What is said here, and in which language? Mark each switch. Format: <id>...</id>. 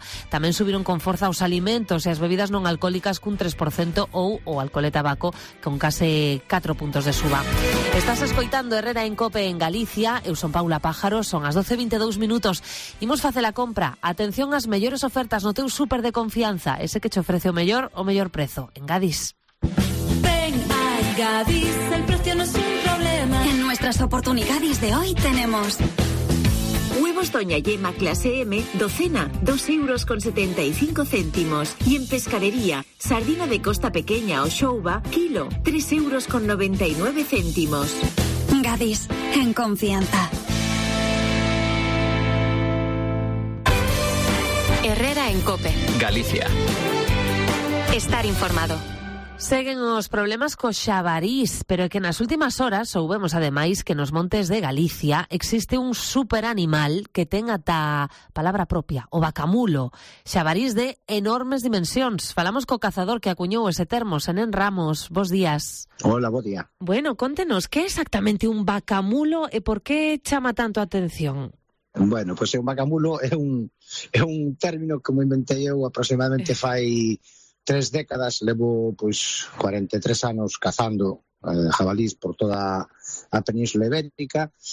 <gl>Tamén subiron con forza os alimentos e as bebidas non alcohólicas cun 3% ou o alcohol e tabaco con case 4 puntos de suba. Estás escoitando Herrera en COPE en Galicia. Eu son Paula Pájaro, son as 12:22 minutos. Imos face a compra. Atención ás mellores ofertas no teu súper de confianza, ese que te ofrece o mellor prezo. Engadis.</gl> <es>Gadis, el precio no es un problema. En nuestras oportunidades de hoy tenemos huevos Doña Yema clase M, docena, 2,75 euros. Y en pescadería, sardina de costa pequeña o showba, kilo, 3,99 euros. Gadis, en confianza. Herrera en COPE. Galicia. Estar informado.</es> <gl>Seguen os problemas co xabarís, pero é que nas últimas horas soubemos ademais que nos montes de Galicia existe un superanimal que ten ata palabra propia, o vacamulo. Xabarís de enormes dimensións. Falamos co cazador que acuñou ese termo, Senén Ramos. Bos días. Hola, bo día. Bueno, contenos, que é exactamente un vacamulo e por que chama tanto a atención? Bueno, pois pues, un vacamulo é un término que me inventei eu aproximadamente fai 3 décadas, levo pues 43</gl> <es>años cazando jabalís</es> <gl>por toda a península ibérica.</gl>